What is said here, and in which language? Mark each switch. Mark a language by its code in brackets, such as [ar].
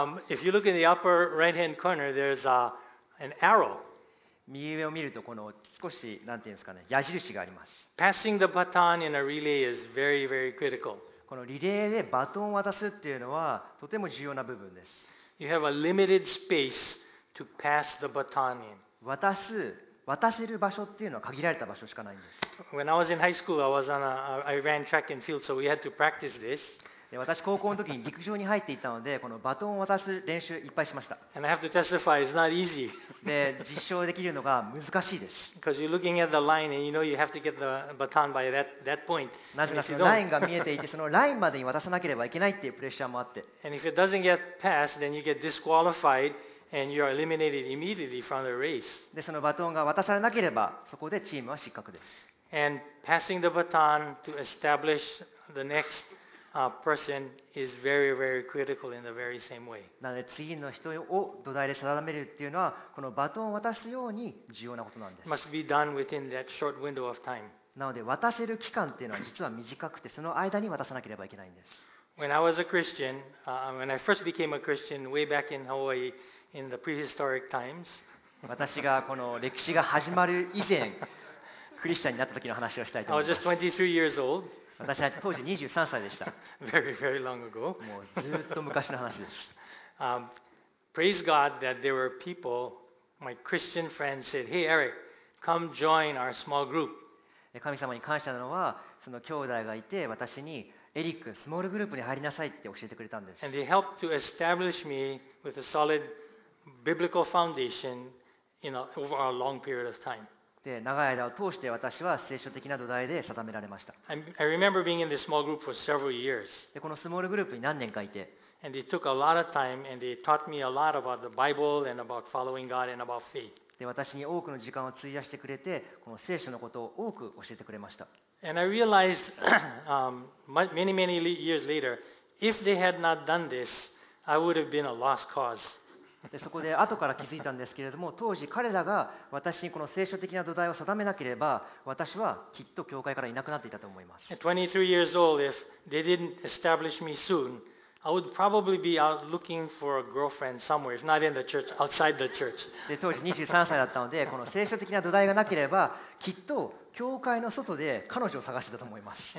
[en] If you look in the upper right-hand corner, there's an arrow. [ja] 右上を見るとこの少しなんていうんですかね、矢印があります。 [en] Passing the baton in a relay is very, very critical. [ja] このリレーでバトンを渡すっていうのはとても重要な部分です。 [en] You have a limited space to pass the baton in. [ja] 渡せる場所っていうのは限られた場所しかないんです。 [en] When I was in high school, I ran track and field, so we had to practice this. [ja] 私高校の時に陸上に入っていたのでこのバトンを渡す練習いっぱいしました。 [en] And I have to testify, it's not easy. [ja] で実証できるのが難しいです。 [en] Because you're looking at the line and you know you have to get the baton by that point. [ja] なぜかそのラインが見えていてそのラインまでに渡さなければいけないっていうプレッシャーもあって。 [en] And if it doesn't get passed, then you get disqualified and you're eliminated immediately from the race. [ja] でそのバトンが渡されなければそこでチームは失格です。 [en] And passing the baton to establish the next. Person is very, very critical in the very same way. [ja] なので次の人を土台で定めるっていうのはこのバトンを渡すように重要なことなんです。 [en] Must be done within that short window of time. [ja] なので渡せる期間っていうのは実は短くてその間に渡さなければいけないんです。 [en] When I was a Christian, when I first became a Christian way back in Hawaii in the prehistoric times, [ja] 私がこの歴史が始まる以前、クリスチャンになった時の話をしたいと思います。 [en] I was just 23 years old. [ja] 私は当時23歳でした。 [en] Very, very long ago. [ja] もうずっと昔の話です。 [en] Praise God that there were people, my Christian friends said, Hey Eric, come join our small group. [ja] 神様に感謝なのは、その兄弟がいて、私に、エリック、スモールグループに入りなさいって教えてくれたんです。 [en] And they helped to establish me with a solid biblical foundation in over a long period of time. [ja] で長い間を通して私は聖書的な土台で定められました。 [en] I remember being in this small group for several years. [ja] でこのスモールグループに何年かいて [en] and they took a lot of time and they taught me a lot about the Bible and about following God and about faith. [ja] で私に多くの時間を費やしてくれてこの聖書のことを多く教えてくれました。 [en] And I realized many many years later if they had not done this I would have been a lost cause. [ja] でそこで後から気づいたんですけれども当時彼らが私にこの聖書的な土台を定めなければ私はきっと教会からいなくなっていたと思います。 [en] 23 years old, if they didn't establish me soon, I would probably be out looking for a girlfriend somewhere, if not in the church, outside the church. [ja] で当時23歳だったのでこの聖書的な土台がなければきっと教会の外で彼女を探してたと思います。